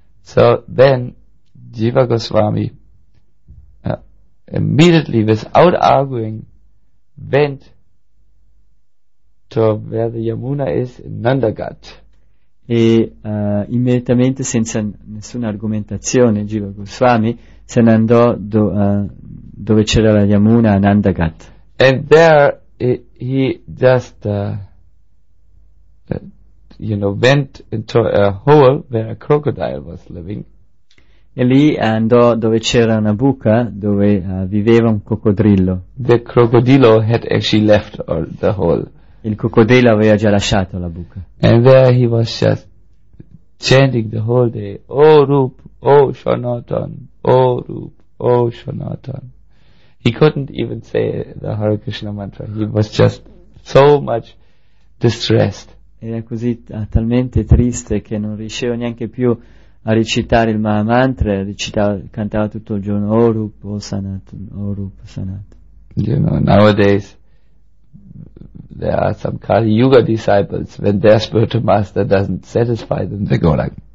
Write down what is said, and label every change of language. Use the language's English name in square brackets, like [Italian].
[English] So then, Jiva Goswami immediately, without arguing, went to where the Yamuna is in Nandagat. [Italian] E immediatamente, senza nessuna argomentazione, Jiva Goswami se ne andò dove c'era la Yamuna, a Nandagat. [English] And there he just went into a hole where a crocodile was living. [Italian] E lì andò dove c'era una buca dove viveva un coccodrillo. [English] The crocodile had actually left the hole. [Italian] Il coccodrillo aveva già lasciato la buca. [English] And there he was just chanting the whole day, oh Rup, oh Sanatan, oh Rup, oh Sanatan. He couldn't even say the Hare Krishna mantra. He was just so much distressed. [Italian] Era così talmente triste che non riusciva neanche più a recitare il Maha mantra. Cantava tutto il giorno, oh Rup, oh Sanatan, oh Rup, Sanatan. [English] You know, nowadays there are some Kali Yuga disciples, when their spiritual master doesn't satisfy them, they go like